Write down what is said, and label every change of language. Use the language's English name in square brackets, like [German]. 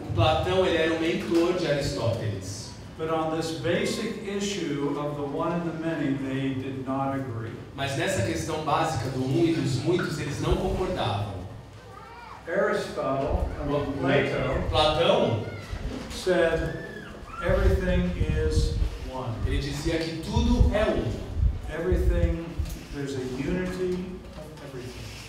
[Portuguese] O Platão, ele era o mentor de Aristóteles. [English] But on this basic issue of the one and the many, they did not agree. [Portuguese] Mas nessa questão básica do um e dos muitos, eles não concordavam. [English] Platão said everything is one. [Portuguese] Ele dizia que tudo é um. [English] Everything, there's a unity of everything.